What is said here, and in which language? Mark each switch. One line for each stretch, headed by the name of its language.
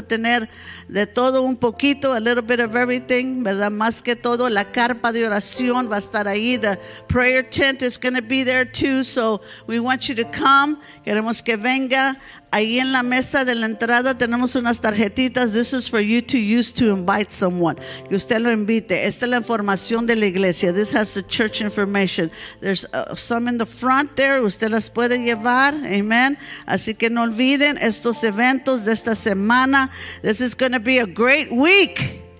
Spanish: Tener de todo un poquito,
English: a little bit of everything,
Spanish: verdad, más que todo la carpa de oración va a estar ahí.
English: The prayer tent is going to be there too, so we want you to come.
Spanish: Queremos que venga. Ahí en la mesa de la entrada tenemos unas tarjetitas.
English: This is for you to use to invite someone.
Spanish: Que usted lo invite. Esta es la información de la iglesia.
English: This has the church information. There's some in the front there.
Spanish: Usted las puede llevar.
English: Amen.
Spanish: Así que no olviden estos eventos de esta semana.
English: This is going to be a great week.